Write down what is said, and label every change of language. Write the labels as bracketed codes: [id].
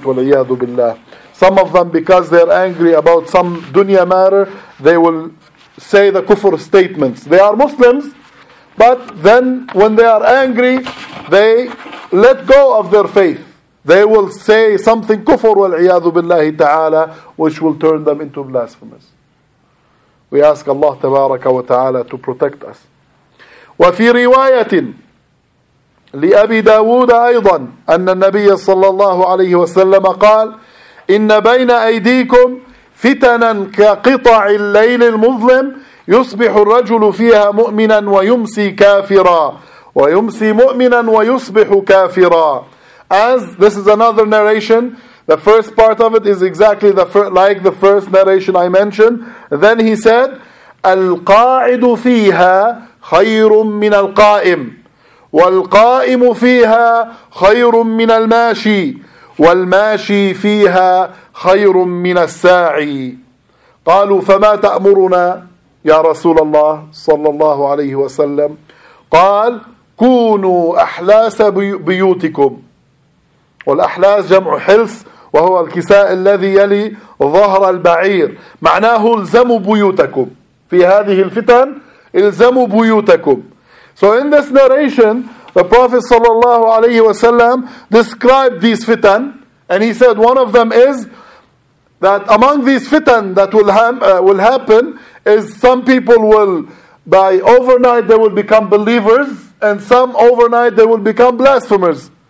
[ar] وَلَيَّادُ بِاللَّهِ [en] Some of them, because they are angry about some dunya matter, they will say the kufr statements. They are Muslims, but then when they are angry, they let go of their faith. They will say something kufr [ar] wal-iyadu billahi ta'ala, [en] which will turn them into blasphemers. We ask Allah tabaraka wa ta'ala to protect us. [ar] وَفِي رِوَايَةٍ لِأَبِي دَاوُودَ أَيْضًا أَنَّ النَّبِيَ صَلَّى اللَّهُ عَلَيْهِ وَسَلَّمَ قَالَ إِنَّ بَيْنَ أَيْدِيكُمْ فتنا كقطع الليل المظلم يصبح الرجل فيها مؤمنا ويمسي كافرا ويمسي مؤمنا ويصبح كافرا. [en] As this is another narration, the first part of it is exactly the like the first narration I mentioned. Then he said, [ar] القاعد فيها خير من القائم والقائم فيها خير من الماشي والماشي فيها خير من الساعي. قالوا فما تأمرنا يا رسول الله صلى الله عليه وسلم. قال كونوا أحلاس بيوتكم. والأحلاس جمع حلس وهو الكساء الذي يلي ظهر البعير. معناه الزموا بيوتكم. في هذه الفتن الزموا بيوتكم. [en] So in this narration, the Prophet [ar] صلى الله عليه وسلم [en] described these fitan, and he said one of them is that among these fitan that will happen is some people will, by overnight they will become believers, and some overnight they will become blasphemers.